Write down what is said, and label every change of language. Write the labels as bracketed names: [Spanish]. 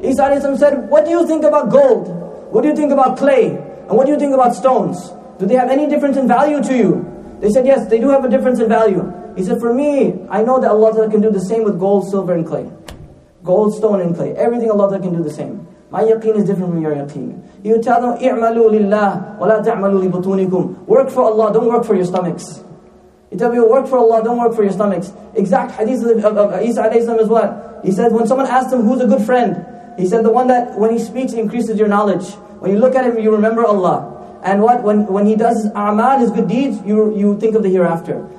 [English] Isa alayhi salam said, what do you think about gold? What do you think about clay? And what do you think about stones? Do they have any difference in value to you? They said, yes, they do have a difference in value. He said, for me, I know that Allah can do the same with gold, silver, and clay. Gold, stone, and clay. Everything Allah can do the same. My yaqeen is different from your yaqeen. He would tell them, [Arabic] اِعْمَلُوا لِلَّهِ وَلَا تَعْمَلُوا لِبُطُونِكُمْ. [English] Work for Allah, don't work for your stomachs. He tell you, work for Allah, don't work for your stomachs. Exact hadith of Isa alayhi salam is what? He said, when someone asked him, who's a good friend? He said, the one that when he speaks, increases your knowledge. When you look at him, you remember Allah. And what? When he does his a'mal, his good deeds, you think of the hereafter.